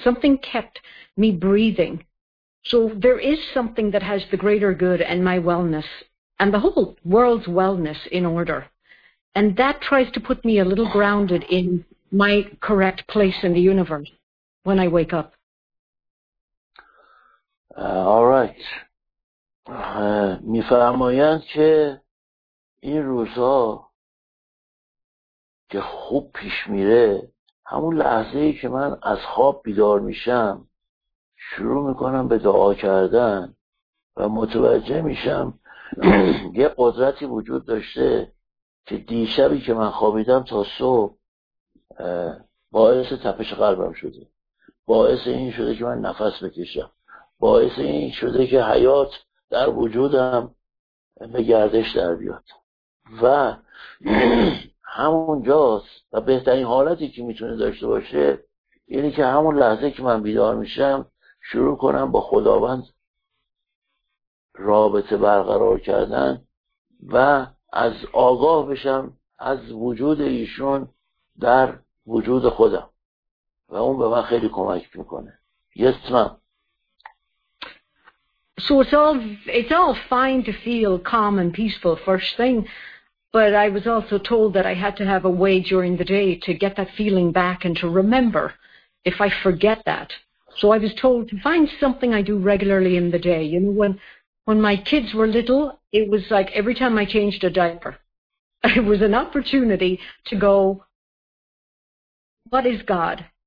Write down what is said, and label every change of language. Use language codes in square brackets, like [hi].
[en] Something kept me breathing. So there is something that has the greater good and my wellness and the whole world's wellness in order. And that tries to put me a little grounded in my correct place in the universe when I wake up. All right. [fa] میفرمایند که این روزا که خوب پیش میره همون لحظه ای که من از خواب بیدار میشم شروع میکنم به دعا کردن و متوجه میشم یه قدرتی وجود داشته که دیشبی که من خوابیدم تا صبح باعث تپش قلبم شده، باعث این شده که من نفس بکشم، باعث این شده که حیات در وجودم به گردش در بیاد و همونجاست و بهترین حالتی که میتونه داشته باشه یعنی که همون لحظه که من بیدار میشم شروع کنم با خداوند رابطه برقرار کردن و از آگاه بشم از وجود ایشون در وجود خودم و اون به من خیلی کمک میکنه. [en] Yes, ma'am. So it's all fine to feel calm and peaceful first thing, but I was also told that I had to have a way during the day to get that feeling back and to remember if I forget that. So I was told to find something I do regularly in the day. You know, when my kids were little, it was like every time I changed a diaper, it was an opportunity to go, what is God?